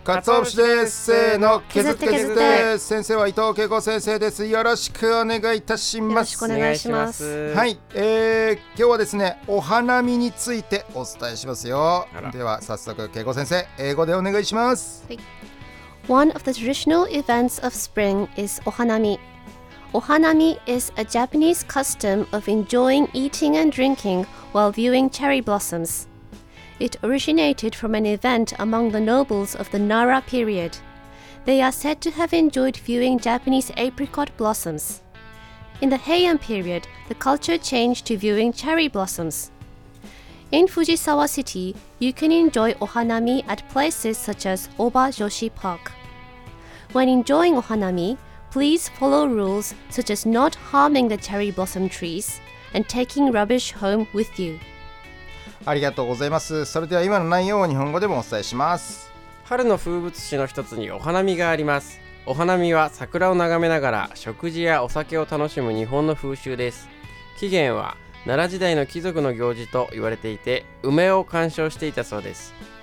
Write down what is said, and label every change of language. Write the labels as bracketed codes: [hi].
[ja] カツオ節です。せーの、削って削って。先生は伊藤恵子先生です。よろしくお願いいたします。よろしくお願いします。はい、今日はですね、お花見についてお伝えしますよ。では早速恵子先生、英語でお願いします。はい。 [en] One of the traditional events of spring is ohanami. Ohanami is a Japanese custom of enjoying eating and drinking while viewing cherry blossoms. It originated from an event among the nobles of the Nara period. They are said to have enjoyed viewing Japanese apricot blossoms. In the Heian period, the culture changed to viewing cherry blossoms. In Fujisawa City, you can enjoy Ohanami at places such as Oba Joshi Park. When enjoying Ohanami,Please follow rules such as not harming the cherry blossom trees and taking rubbish home with you. [ja] ありがとうございます。それでは今の内容を日本語でもお伝えします。春の風物詩の一つにお花見があります。お花見は桜を眺めながら食事やお酒を楽しむ日本の風習です。起源は奈良時代の貴族の行事と言われていて、梅を鑑賞していたそうです。